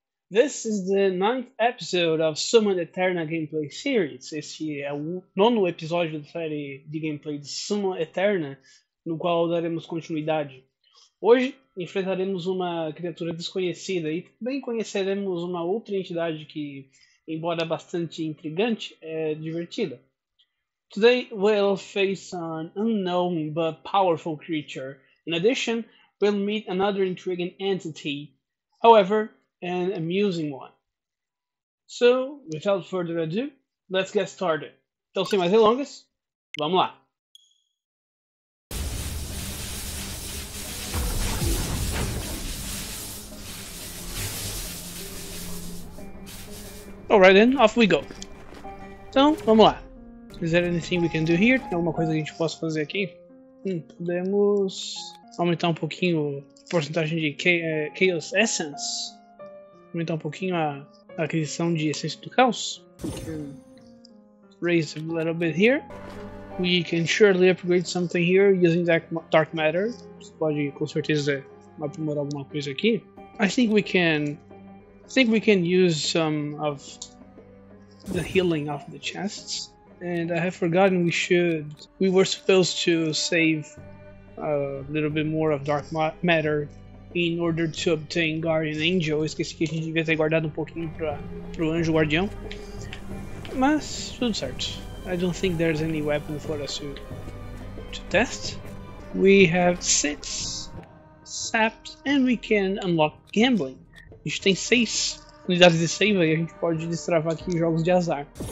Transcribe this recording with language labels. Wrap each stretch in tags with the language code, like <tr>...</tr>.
<en>This is the ninth episode of Summon Eterna Gameplay Series.</en> <pt>Este é o nono episódio da série de gameplay de Summon Eterna, no qual daremos continuidade. Hoje enfrentaremos uma criatura desconhecida e também conheceremos uma outra entidade que, embora bastante intrigante, é divertida.</pt> <en>Today we'll face an unknown but powerful creature. In addition, we'll meet another intriguing entity, however, an amusing one. So, without further ado, let's get started.</en> <pt>Então, sem mais delongas, vamos lá!</pt> <en>Alright then, off we go!</en> <pt>Então, vamos lá!</pt> <en>Is there anything we can do here?</en> <pt>Tem alguma coisa que a gente possa fazer aqui? Podemos aumentar um pouquinho a porcentagem de Chaos Essence. Aumentar um pouquinho a aquisição de Essência do Caos.</pt> <en>We can raise a little bit here. We can surely upgrade something here using Dark Matter.</en> <pt>Você pode com certeza aprimorar alguma coisa aqui.</pt> <en>I think we can use some of the healing of the chests. And I have forgotten we were supposed to save a little bit more of dark matter in order to obtain Guardian Angel.</en> <pt>Eu esqueci que a gente devia ter guardado um pouquinho pro Anjo Guardião. Mas tudo certo.</pt> <en>I don't think there's any weapon for us to test. We have 6 saps and we can unlock gambling.</en> <pt>A gente tem 6 unidades de save e a gente pode destravar aqui jogos de azar.</pt>